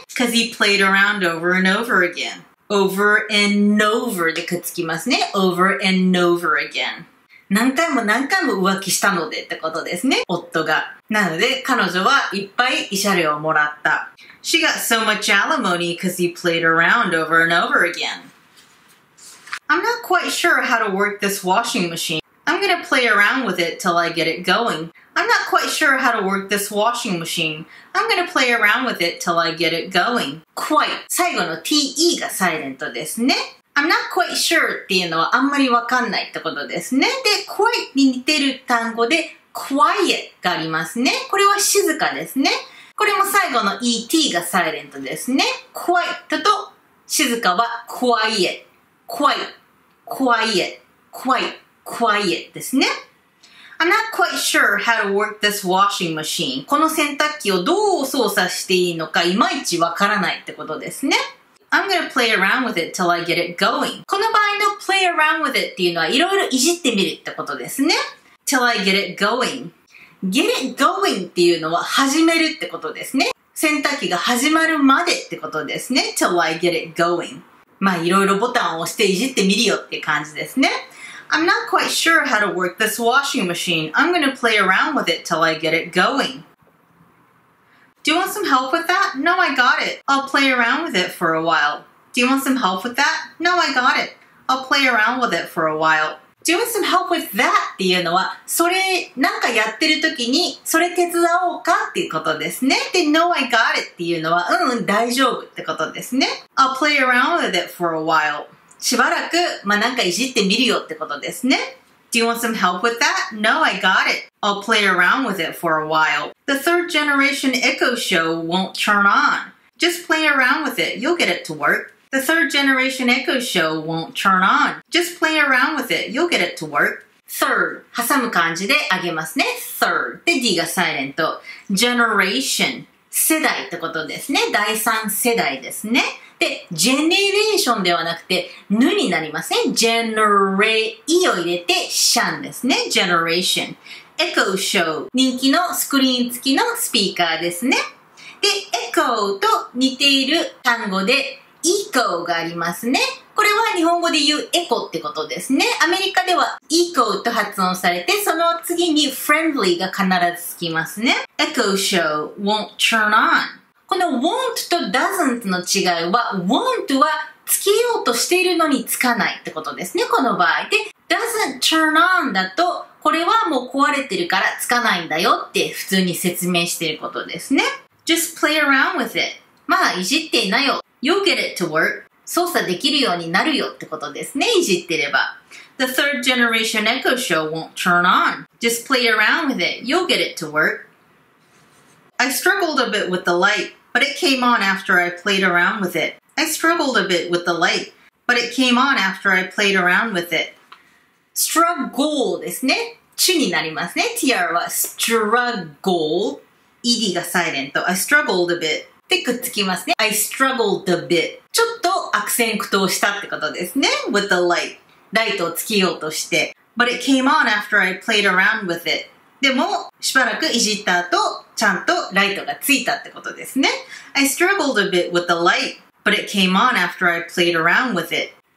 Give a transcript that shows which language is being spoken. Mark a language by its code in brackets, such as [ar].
[en] Cause he played around over and over again. [ja] Over and over でくっつきますね。 Over and over again. 何回も何回も浮気したのでってことですね。夫が。なので彼女はいっぱい慰謝料をもらった。 [en] She got so much alimony cause he played around over and over again. I'm not quite sure how to work this washing machine. I'm gonna play around with it till I get it going. I'm not quite sure how to work this washing machine. I'm gonna play around with it till I get it going. Quite. [ja] 最後の TE がサイレントですね。 [en] I'm [ja] not quite sure っていうのはあんまりわかんないってことですね。で、quite に似てる単語で quiet がありますね。これは静かですね。これも最後の ET がサイレントですね。 quite と静かは quiet。quite。 quiet。 quite。 quiet ですね。 [en] I'm not quite sure how to work this washing machine. [ja] この洗濯機をどう操作していいのかいまいちわからないってことですね。 [en] I'm gonna play around with it till I get it going. [ja] この場合の play around with it っていうのはいろいろいじってみるってことですね。 [en] Till I get it going. [ja] Get it going っていうのは始めるってことですね。洗濯機が始まるまでってことですね。 [en] Till I get it going. [ja] まあいろいろボタンを押していじってみるよって感じですね。 [en] I'm not quite sure how to work this washing machine. I'm going to play around with it till I get it going. Do you want some help with that? No, I got it. I'll play around with it for a while. Do you want some help with that? No, I got it. I'll play around with it for a while. Do you want some help with that? [ja] っていうのは、それなんかやってる時に、それ手伝おうかっていうことですね。 [en] で、No, I got it. [ja] っていうのは、大丈夫ってことですね。 [en] I'll play around with it for a while. [ja] しばらく、まあ、なんかいじってみるよってことですね。 [en] Do you want some help with that? No, I got it. I'll play around with it for a while. The third generation Echo show won't turn on. Just play around with it. You'll get it to work. The third generation Echo show won't turn on. Just play around with it. You'll get it to work. Third. [ja] 挟む感じであげますね。 Third. で D がサイレント。Generation. 世代ってことですね。第三世代ですね。で、ジェネレーションではなくて、ぬになりますね。ジェネレイを入れて、シャンですね。ジェネレーション。エコーショー。人気のスクリーン付きのスピーカーですね。で、エコーと似ている単語で、イコーがありますね。これは日本語で言うエコってことですね。アメリカではイコーと発音されて、その次にフレンドリーが必ずつきますね。 [en] エコーショー won't turn on. [ja] この won't と doesn't の違いは won't はつけようとしているのにつかないってことですね。この場合で doesn't turn on だとこれはもう壊れてるからつかないんだよって普通に説明していることですね。 [en] Just play around with it. [ja] まだいじっていなよ。 You'll get it to work. 操作できるようになるよってことですね。いじってれば。 [en] The third generation Echo show won't turn on. Just play around with it. You'll get it to work. I struggled a bit with the light, but it came on after I played around with it. I struggled a bit with the light, but it came on after I played around with it. [ja] Struggle ですね。チュになりますね。TR は struggle. ED がサイレント。 [en] I struggled a bit. [ja] でくっつきますね。 I struggled a bit. ちょっと悪戦苦闘したってことですね。 [en] With the light. [ja] ライトをつけようとして。 [en] But it came on after I played around with it. [ja] でも、しばらくいじった後、ちゃんとライトがついたってことですね。 [en] I struggled a bit with the light, but it came on after I played around with it.